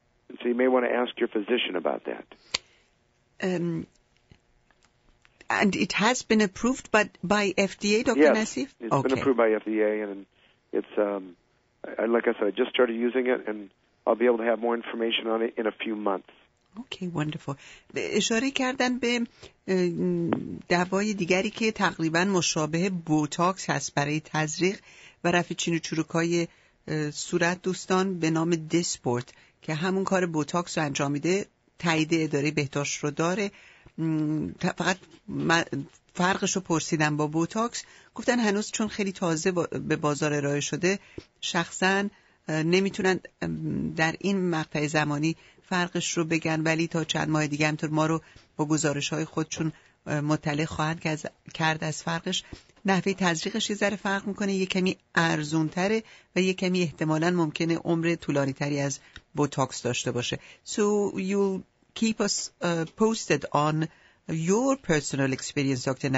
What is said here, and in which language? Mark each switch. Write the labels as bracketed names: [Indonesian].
[English] And so you may want to ask your physician about that. And it has been approved by FDA, Dr. Yes, Nassif? Yes, it's been approved by FDA, and it's, like I said, I just started using it, and I'll be able to have more information on it in a few months. Okay, wonderful. [Persian] اشاره کردن به دوای دیگری که تقریبا مشابه بوتاکس هست برای تزریق و رفع چین و چروکای صورت دوستان به نام دیسپورت که همون کار بوتاکس رو انجام میده، تایید اداره بهداشت رو داره. فقط فرقش رو پرسیدم با بوتاکس، گفتن هنوز چون خیلی تازه به بازار ارائه شده شخصا نمیتونن در این مقطع زمانی فرقش رو بگن، ولی تا چند ماه دیگه همطور ما رو با گزارش‌های خودشون مطلع خواهند کرد از فرقش. نحوه تزریقش یه ذره فرق میکنه، یه کمی ارزون‌تره و یه کمی احتمالاً ممکنه عمر طولانی‌تری از بوتاکس داشته باشه. [English] So you'll keep us posted on your personal experience, Dr.